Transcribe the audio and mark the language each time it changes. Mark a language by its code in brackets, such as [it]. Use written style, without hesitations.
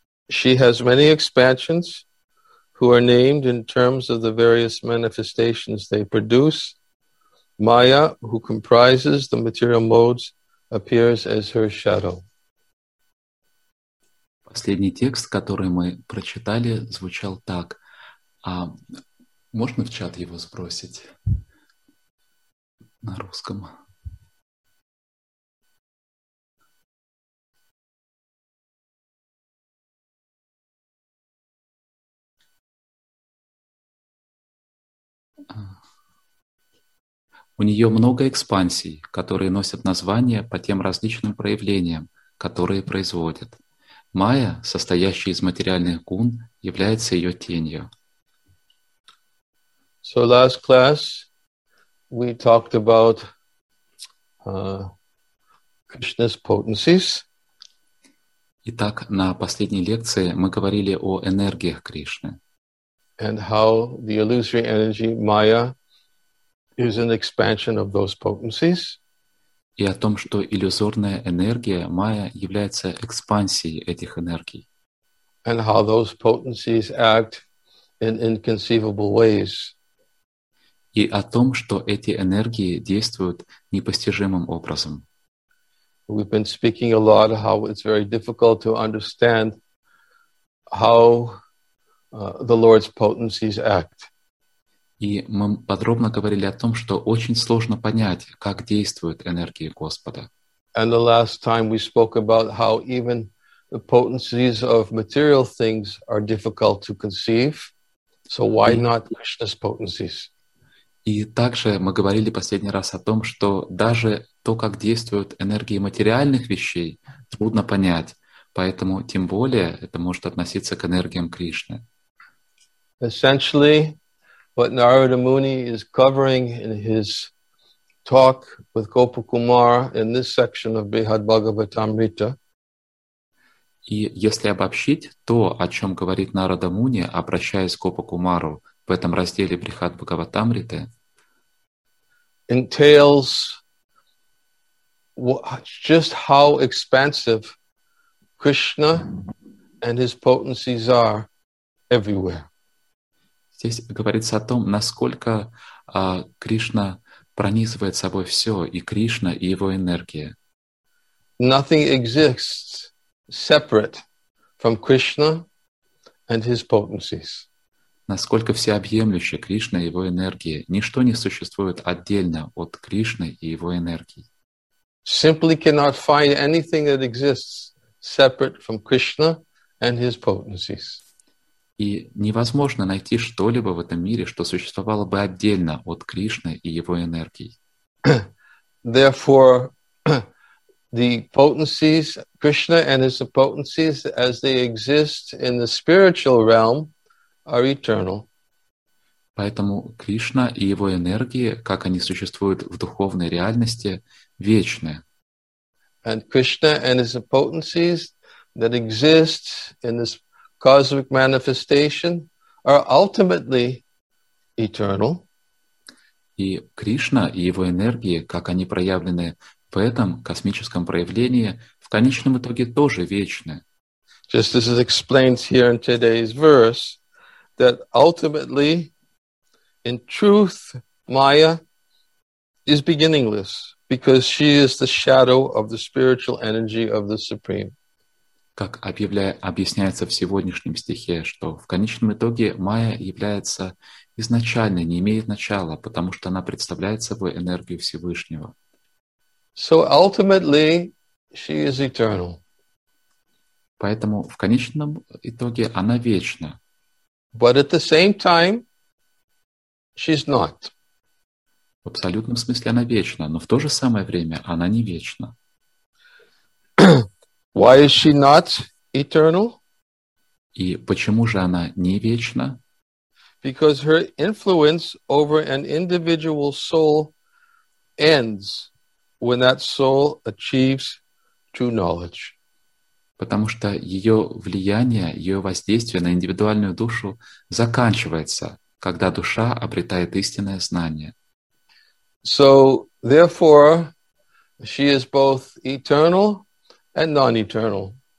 [en] She has many expansions who are named in terms of the various manifestations they produce. Maya, who comprises the material modes, appears as her shadow. [ru] Последний текст, который мы прочитали, звучал так. Можно в чат его сбросить? На русском. У нее много экспансий, которые носят название по тем различным проявлениям, которые производят. Майя, состоящая из материальных гун, является ее тенью. [en] So last class. We talked about Krishna's potencies. [ru] Итак, на последней лекции мы говорили о энергиях Кришны. [en] And how the illusory energy Maya is an expansion of those potencies. [ru] И о том, что иллюзорная энергия Maya является экспансией этих энергий. [en] And how those potencies act in inconceivable ways. [ru] И о том, что эти энергии действуют непостижимым образом. [en] We've been speaking a lot how it's very difficult to understand how the Lord's potencies act. [ru] И мы подробно говорили о том, что очень сложно понять, как действуют энергии Господа. [en] And the last time we spoke about how even the potencies of material things are difficult to conceive. So why not Krishna's potencies? [ru] И также мы говорили последний раз о том, что даже то, как действуют энергии материальных вещей, трудно понять. Поэтому тем более это может относиться к энергиям Кришны. [en] Essentially, what Narada Muni is covering in his talk with Gopakumara in this section of Brihad Bhagavatamrita. [ru] И если обобщить то, о чем говорит Нарада Муни, обращаясь к Гопакумару в этом разделе Брихад Бхагаватамриты, [en] entails just how expansive Krishna and his potencies are everywhere. [ru] Здесь говорится о том, насколько Кришна пронизывает собой все, и Кришна, и его энергия. [en] Nothing exists separate from Krishna and his potencies. [ru] Насколько всеобъемлюще Кришна и его энергия. Ничто не существует отдельно от Кришны и его энергии. [en] Simply cannot find anything that exists separate from Krishna and his potencies. [ru] И невозможно найти что-либо в этом мире, что существовало бы отдельно от Кришны и его энергии. [en] Therefore, the potencies, Krishna and his potencies, as they exist in the spiritual realm, are eternal. [ru] Поэтому Кришна и его энергии, как они существуют в духовной реальности, вечны. [en] And Krishna and his potencies that exist in this cosmic manifestation are ultimately eternal. [ru] И Кришна и его энергии, как они проявлены в этом космическом проявлении, в конечном итоге тоже вечны. [en] Just as it explains here in today's verse, that ultimately, in truth, Maya is beginningless, because she is the shadow of the spiritual energy of the Supreme. [ru] Как объясняется в сегодняшнем стихе, что в конечном итоге Майя является изначальной, не имеет начала, потому что она представляет собой энергию Всевышнего. [en] So ultimately, she is eternal. [ru] Поэтому в конечном итоге она вечна. [en] But at the same time, she's not. [ru] В абсолютном смысле она вечна, но в то же самое время она не вечна. [en] Why is she not eternal? [ru] И почему же она не вечна? [en] Because her influence over an individual soul ends when that soul achieves true knowledge. [ru] Потому что ее влияние, ее воздействие на индивидуальную душу заканчивается, когда душа обретает истинное знание. [en] So, therefore, she is both eternal and non-eternal.